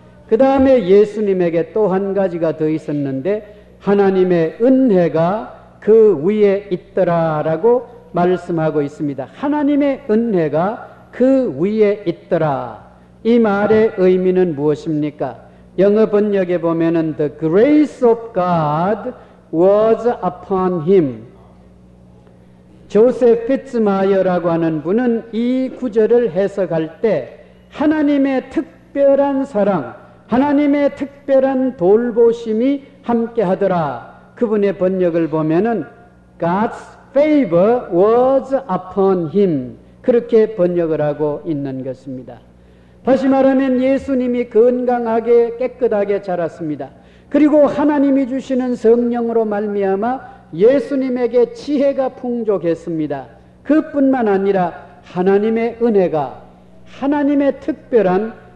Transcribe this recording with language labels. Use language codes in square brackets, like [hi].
[ko] 그 다음에 예수님에게 또 한 가지가 더 있었는데 하나님의 은혜가 그 위에 있더라라고 말씀하고 있습니다. 하나님의 은혜가 그 위에 있더라. 이 말의 의미는 무엇입니까? 영어 번역에 보면은 [en] The grace of God was upon him. [ko] 조셉 피츠마이어라고 하는 분은 이 구절을 해석할 때 하나님의 특별한 사랑, 하나님의 특별한 돌보심이 함께 하더라. 그분의 번역을 보면은 [en] God's favor was upon him. [ko] 그렇게 번역을 하고 있는 것입니다. 다시 말하면 예수님이 건강하게 깨끗하게 자랐습니다. 그리고 하나님이 주시는 성령으로 말미암아 예수님에게 지혜가 풍족했습니다. 그뿐만 아니라 하나님의 은혜가 하나님의 특별한